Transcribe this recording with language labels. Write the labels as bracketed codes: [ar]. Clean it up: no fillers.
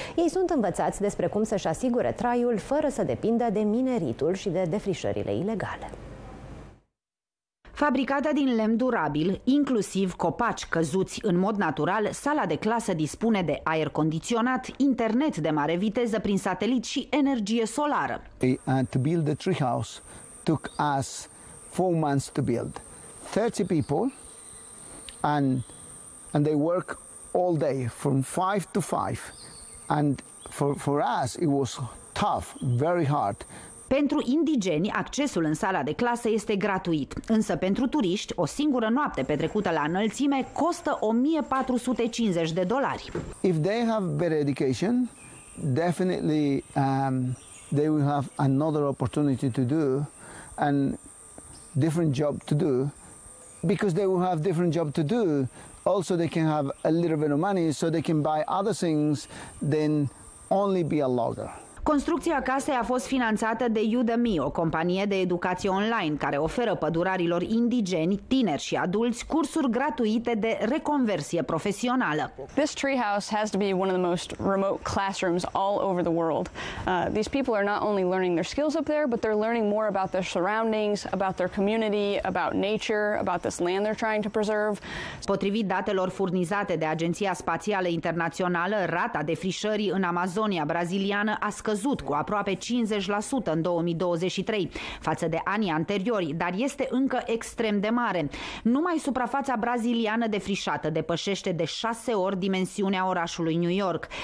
[ro] Ei sunt învățați despre cum să-și asigure traiul fără să depindă de mineritul și de defrișările ilegale. Fabricată din lemn durabil, inclusiv copaci căzuți în mod natural, sala de clasă dispune de aer condiționat, internet de mare viteză prin satelit și energie solară. [en] And to build the treehouse took us 4 months to build. 30 people and they work all day from 5 to 5. And for us it was tough, very hard [ro] Pentru indigeni, accesul în sala de clasă este gratuit, însă pentru turiști, o singură noapte petrecută la înălțime costă $1,450. [en] If they have better education, definitely they will have another opportunity to do and different job to do, because they will have different job to do, also they can have a little bit of money so they can buy other things than only be a logger. [ro] Construcția casei a fost finanțată de Udemy, o companie de educație online care oferă pădurarilor indigeni, tineri și adulți cursuri gratuite de reconversie profesională. [en] This treehouse has to be one of the most remote classrooms all over the world. These people are not only learning their skills up there, but they're learning more about their surroundings, about their community, about nature, about this land they're trying to preserve. [ro] Potrivit datelor furnizate de Agenția Spațială Internațională, rata defrișării în Amazonia braziliană a căzut cu aproape 50% în 2023 față de anii anteriori, dar este încă extrem de mare. Numai suprafața braziliană defrișată depășește de 6 ori dimensiunea orașului New York.